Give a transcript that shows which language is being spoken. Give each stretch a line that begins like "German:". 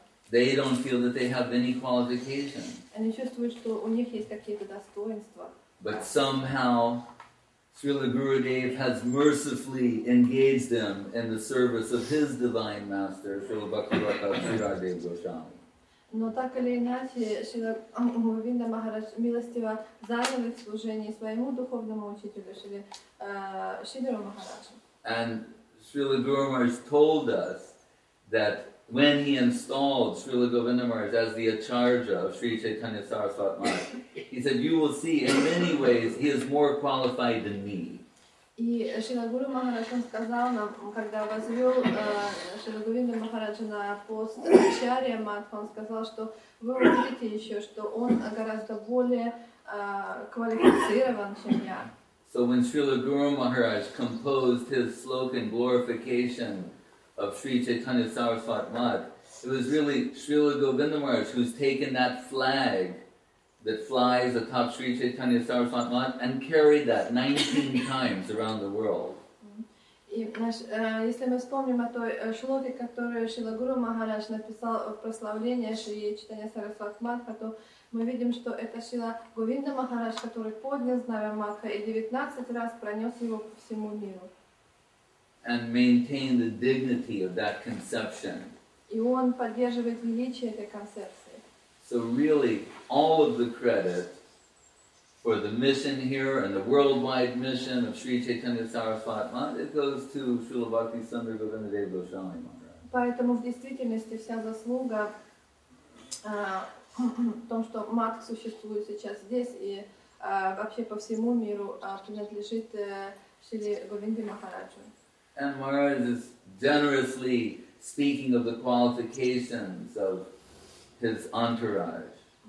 English: They don't feel that they have any qualifications. But somehow, Srila Gurudev has mercifully engaged them in the service of His Divine Master, Srila Bhakti Rata Sridhar Goswami.
Russian: Но так или иначе, Шрила Говинда Махарадж милостиво занял их в служении своему духовному учителю, Шридхару Махараджу.
English: And Srila Guru Maharaj told us that when he installed Srila Govinda Maharaj as the acharya of Sri Chaitanya Saraswat Maharaj, he said, you will see in many ways he is more qualified than me.
Russian: И Шрила Гуру Махарадж сказал нам, когда возвел Шрила Говинда Махараджа на пост ачарья Мадхва, он сказал, что вы увидите еще, что он гораздо более квалифицирован, чем я.
English: So when Srila Guru Maharaj composed his sloka in glorification of Sri Chaitanya Saraswat Mat, it was really Srila Govinda Maharaj who's taken that flag that flies atop Sri Chaitanya Saraswat Mat and carried that 19 times around the world.
Russian: Если мы вспомним о той шлоке, которую Шрила Гуру Махарадж написал в прославлении Шри Чайтанья Сарасвати Матхи, то Мы видим, что это Шрила Говинда Махарадж, который поднял знамя Матха и 19 раз пронес его по всему миру.
English: And maintain the dignity of that conception.
Russian: И он поддерживает величие этой концепции.
English: So really, all of the credit for the mission here and the worldwide mission of Sri Chaitanya Sarasvati Maharaj, it goes to Srila Bhakti Sundara Govindadeva Goswami Maharaj.
Russian: Поэтому в действительности вся заслуга в том, что Матха существует сейчас здесь и вообще по всему миру принадлежит Шри Говинде Махараджу.
English: And Maharaj is generously speaking of the qualifications of his entourage.